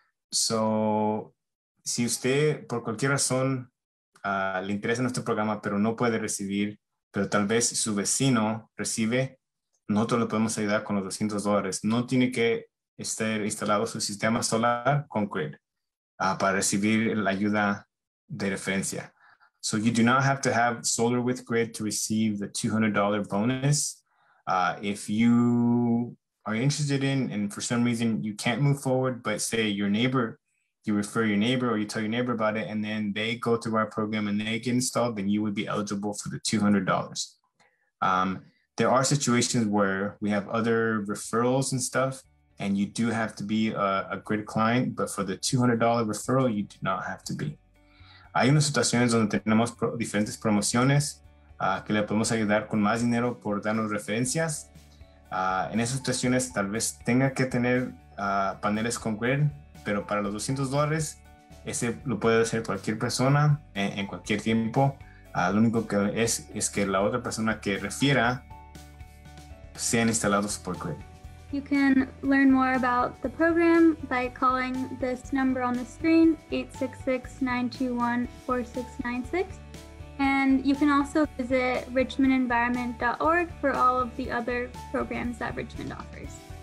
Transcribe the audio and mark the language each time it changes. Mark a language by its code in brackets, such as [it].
[es] So, si usted por cualquier razón le interesa nuestro programa, pero no puede recibir, pero tal vez su vecino recibe, nosotros le podemos ayudar con los $200. No tiene que estar instalado su sistema solar con grid para recibir la ayuda de referencia. [en] So you do not have to have solar with grid to receive the $200 bonus. If you are interested in, and for some reason you can't move forward, but say your neighbor, you refer your neighbor or you tell your neighbor about it, and then they go through our program and they get installed, then you would be eligible for the $200. There are situations where we have other referrals and stuff, and you do have to be a grid client, but for the $200 referral, you do not have to be. [es] Hay unas situaciones donde tenemos diferentes promociones que le podemos ayudar con más dinero por darnos referencias. En esas situaciones, tal vez tenga que tener paneles con grid, pero para los $200, ese lo puede hacer cualquier persona en cualquier tiempo. Lo único que es que la otra persona que refiera sean instalados por grid. [en] You can learn more about the program by calling this number on the screen, 866-921-4696. And you can also visit richmondenvironment.org for all of the other programs that Richmond offers.